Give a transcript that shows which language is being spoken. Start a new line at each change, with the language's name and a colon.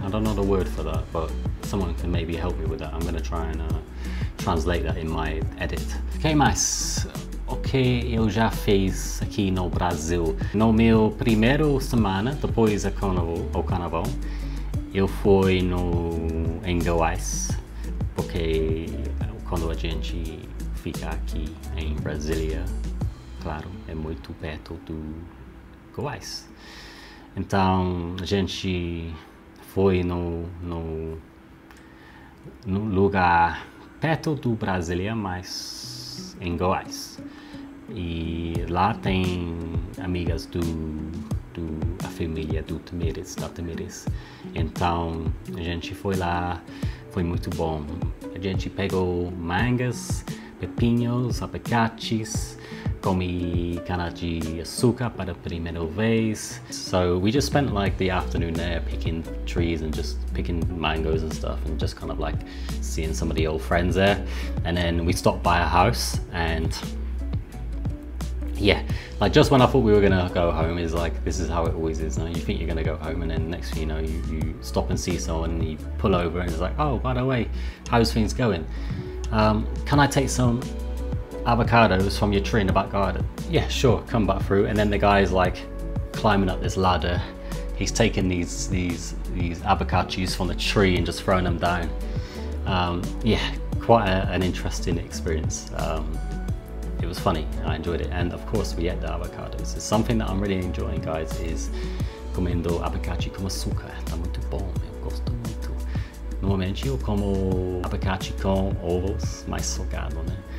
English: I don't know the word for that, but someone can maybe help me with that. I'm gonna try and translate that in my edit.
Portuguese: Okay, mais. O que eu já fiz aqui no Brasil? No meu primeiro semana, depois do carnaval, eu fui em Goiás, porque quando a gente fica aqui em Brasília, claro, é muito perto do Goiás. Então, a gente foi no lugar perto do Brasília, mas em Goiás. E lá tem amigas da família do Tamires, da Tamires. Então a gente foi lá, foi muito bom. A gente pegou mangas, pepinos, abacates, comi cana de açúcar para a primeira vez.
English: So we just spent like the afternoon there picking trees and just picking mangoes and stuff and just kind of like seeing some of the old friends there. And then we stopped by a house and yeah, like just when I thought we were gonna go home, is like this is how it always is. Now you think you're gonna go home, and then next thing you know, you stop and see someone, and you pull over, and it's like, oh, by the way, how's things going? Can I take some avocados from your tree in the back garden? Yeah, sure, come back through. And then the guy's like climbing up this ladder. He's taking these avocados from the tree and just throwing them down. Yeah, quite an interesting experience. It was funny, I enjoyed it, and of course we ate the avocados. It's something that I'm really enjoying, guys, is
Portuguese: comendo abacate com açúcar. Tá muito bom, eu gosto muito. Normalmente eu como abacate com ovos, mais salgado, né?